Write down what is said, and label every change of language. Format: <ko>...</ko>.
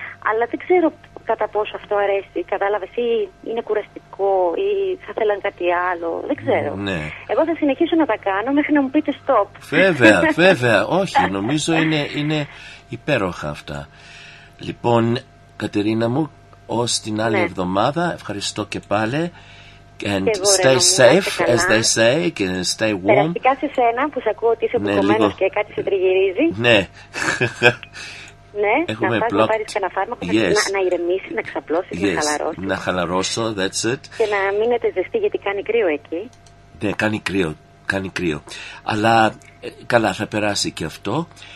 <el>Αλλά δεν ξέρω κατά πόσο αυτό αρέσει. Κατάλαβες, ή είναι κουραστικό, ή θα θέλαν κάτι άλλο. Δεν ξέρω. Ναι. Εγώ θα συνεχίσω να τα κάνω μέχρι να μου πείτε stop. Βέβαια, βέβαια. Όχι, νομίζω είναι υπέροχα αυτά. Λοιπόν, Κατερίνα μου, ως την άλλη, ναι, εβδομάδα, ευχαριστώ και πάλι.</el> <en>And stay safe, as they say, and stay warm.</en> <el>Ερωτικά σε σένα που σε ακούω ότι είσαι πουκωμένος, ναι, λίγο... και κάτι σε τριγυρίζει. Ναι. Ναι, έχουμε να,</el> <en>blocked...</en> <el>να πάρεις κανένα φάρμακο,</el> <en>yes,</en> <el>να ηρεμήσεις, να ξαπλώσεις,</el> <en>yes,</en> <el>να χαλαρώσεις. Να χαλαρώσω,</el> <en>that's it.</en> <el>Και να μείνετε ζεστή γιατί κάνει κρύο εκεί. Ναι, κάνει κρύο, κάνει κρύο. Αλλά καλά, θα περάσει και αυτό.</el>